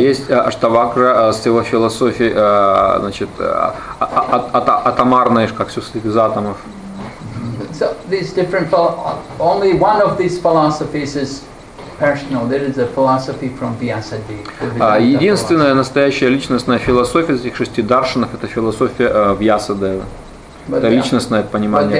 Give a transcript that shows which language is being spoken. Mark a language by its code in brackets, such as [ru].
[ru] Есть Аштавакра с его философией, значит, атомарной, как все следует из атомов. [en] So these different only one of these philosophies is personal. There is a philosophy from Vyasadeva. [ru] Единственная настоящая личностная философия из этих шести даршанов — это философия Вьясадевы. Это личностное понимание